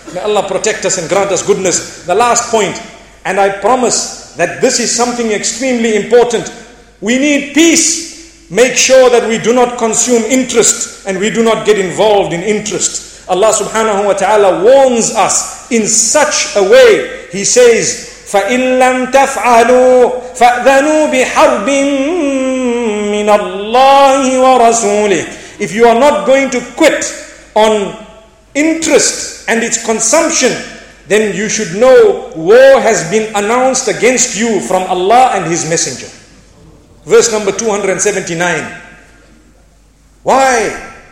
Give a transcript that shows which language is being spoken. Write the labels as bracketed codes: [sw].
[en] May Allah protect us and grant us goodness. The last point, and I promise that this is something extremely important. We need peace. Make sure that we do not consume interest and we do not get involved in interest. Allah subhanahu wa ta'ala warns us in such a way. He says, [ar] فَإِن لَمْ تَفْعَلُوا فَأْذَنُوا بِحَرْبٍ مِّنَ اللَّهِ وَرَسُولِهِ. [en] If you are not going to quit on interest and its consumption, then you should know war has been announced against you from Allah and His Messenger. Verse number 279. Why?